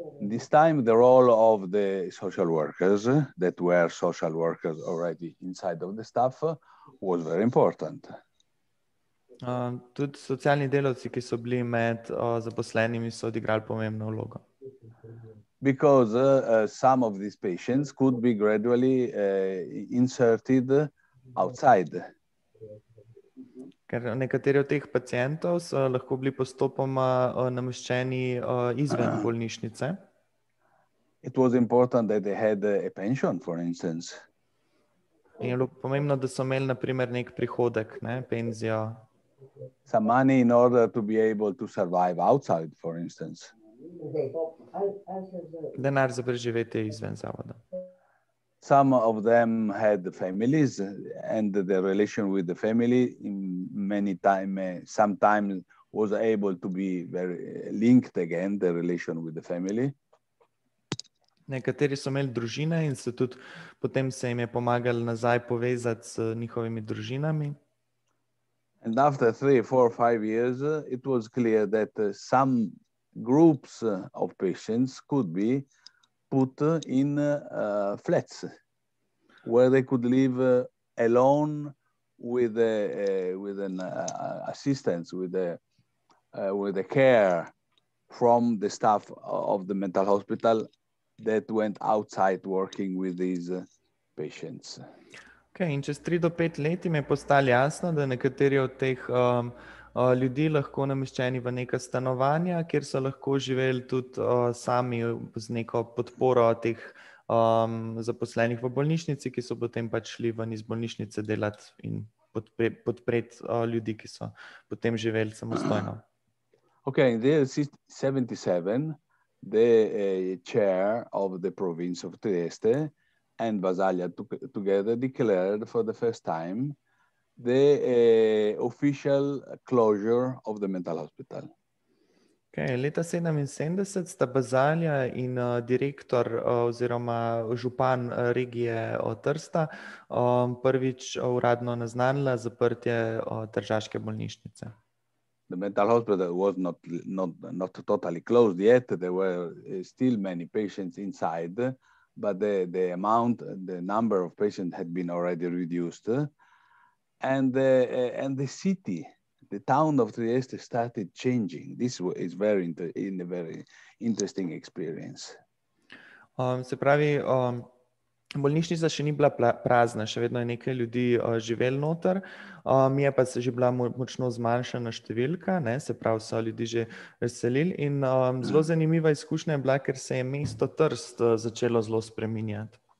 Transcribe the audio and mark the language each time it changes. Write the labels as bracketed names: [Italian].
[English] This time the role of the social workers, that were social workers already inside of the staff, was very important. [Slovenian] Tudi socialni delavci, ki so bili med zaposlenimi, so odigrali pomembno vlogo. [English] Because some of these patients could be gradually inserted outside. [Slovenian] Ker nekateri od teh pacientov so lahko bili postopoma namoščeni izven bolnišnice. [English] It was important that they had a pension, for instance. [Slovenian] In je bilo pomembno, da so imeli, na primer, nek prihodek, penzijo. [English] some money in order to be able to survive outside, for instance. [Slovenian] Denar za preživete izven zavoda. [English] Some of them had the families, and the relation with the family in many time sometimes was able to be very linked again, the relation with the family. [Slovenian] Nekateri so imeli družine in se tudi potem se jim je pomagalo nazaj povezati s njihovimi družinami. [English] And after 3, 4, 5 years, it was clear that some groups of patients could be put in flats where they could live alone with a with an assistance, with a care from the staff of the mental hospital that went outside working with these patients. [Slovenian] Okay, in čez 3 do 5 let jim je postalo jasno, da nekateri od teh ljudi lahko nameščeni v neka stanovanja, kjer so lahko živeli tudi sami z neko podporo teh zaposlenih v bolnišnici, ki so potem pač šli ven iz bolnišnice delati in podpreti ljudi, ki so potem živeli samostojno. [English] Okay, in 77, the chair of the province of Trieste and Vasalia together declared for the first time the official closure of the mental hospital. [Slovenian] Okay, leta 77 sta Bazalja in direktor oziroma župan regije Trsta prvič uradno naznanila zaprtje tržaške bolnišnice. [English] The mental hospital was not totally closed yet. There were still many patients inside, but the amount, the number of patients had been already reduced. And the city, the town of Trieste started changing. This is very in a very interesting experience. [Slovenian] Se pravi, bolnišnica še ni bila prazna, še vedno je nekaj ljudi živel noter. Mi je pa se že bila močno zmanjšana številka, ne, se pravi so ljudi že veselili. In zelo zanimiva izkušnja je bila, ker se je mesto Trst začelo zelo spreminjati.